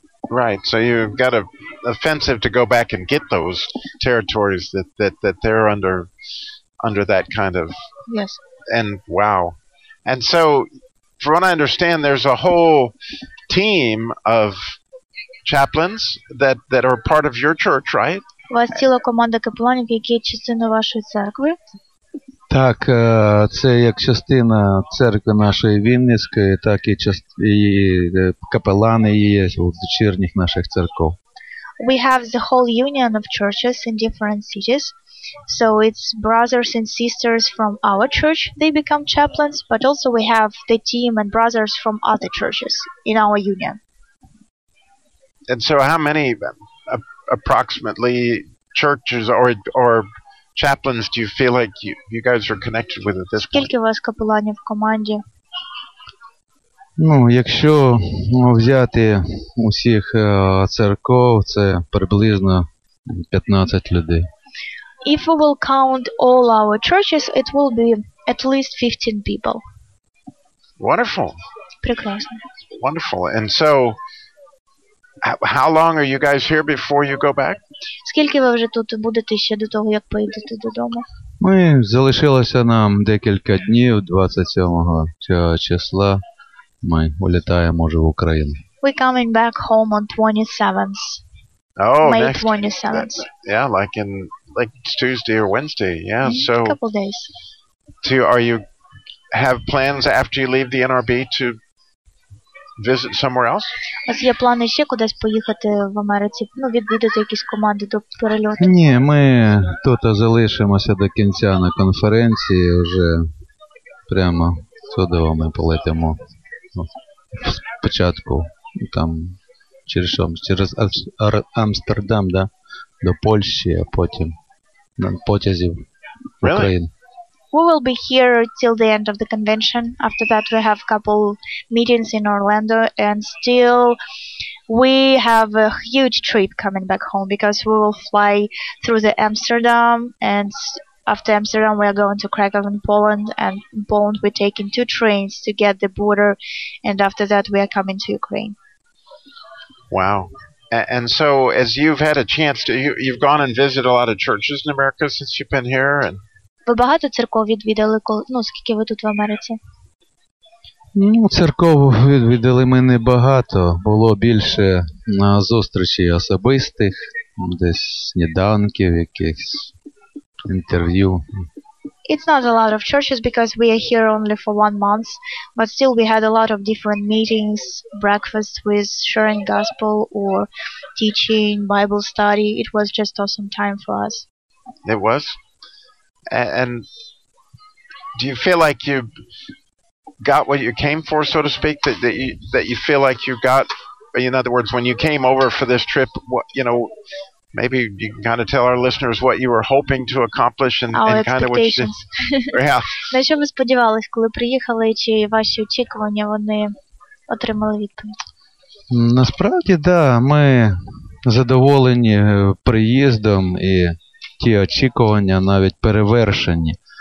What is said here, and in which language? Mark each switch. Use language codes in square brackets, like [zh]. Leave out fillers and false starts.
[en] Right, so you've got an offensive to go back and get those territories that they're under that kind of... Yes. And, wow. And so, from what I understand, there's a whole team of chaplains that are part of your church, right? [uk] У вас ціла команда капеланів, які є частиною вашої церкви? Так, це як частина церкви нашої Вінницької, так і капелани є в дочірніх наших церков. [en] We have the whole union of churches in different cities. So it's brothers and sisters from our church, they become chaplains, but also we have the team and brothers from other churches in our union. And so how many approximately churches or chaplains do you feel like you guys are connected with at this point? [uk] Скільки у вас капеланів в команді? Ну, якщо взяти усіх церков, це приблизно 15 людей. [en] If we will count all our churches, it will be at least 15 people. Wonderful. [uk] Прекрасно. [en] Wonderful. And so how long are you guys here before you go back? [uk] Скільки ви вже тут будете ще до того, як поїдете додому? Ми залишилося нам декілька днів, 27-го цього числа ми вилітаємо вже в Україну. [en] We're coming back home on 27th. Oh, May 27th. Yeah, like it's Tuesday or Wednesday. Yeah, so a couple days. So are you have plans after you leave the NRB to visit somewhere else? [uk] Ось є плани ще кудись поїхати в Америці, ну, відвідати якісь команди до перельоту? Ні, ми тут залишимося до кінця на конференції, вже прямо туди ми полетимо. Спочатку там через Амстердам, да, до Польщі, а потім на потязі в Україну. [en] We will be here till the end of the convention. After that, we have a couple meetings in Orlando, and still we have a huge trip coming back home because we will fly through the Amsterdam, and after Amsterdam, we are going to Krakow in Poland, and in Poland, we're taking two trains to get the border, and after that, we are coming to Ukraine. Wow. And so, as you've had a chance, you've gone and visited a lot of churches in America since you've been here, and [uk] ви багато церков відвідали, ну, скільки ви тут в Америці? Ну, церков відвідали ми не багато. Було більше на зустрічі особистих, десь сніданків, якихось інтерв'ю. [en] It's not a lot of churches because we are here only for 1 month, but still we had a lot of different meetings, breakfast with sharing gospel or teaching, Bible study. It was just awesome time for us. It was? And do you feel like you got what you came for, so to speak, that you feel like you got, in other words, when you came over for this trip, what, you know, Maybe you can kind of tell our listeners what you were hoping to accomplish and kind of what [uk] you На що ви сподівались, коли приїхали, чи ваші очікування, вони отримали відповідь? Насправді, да, ми задоволені приїздом, і ті очікування навіть перевершені.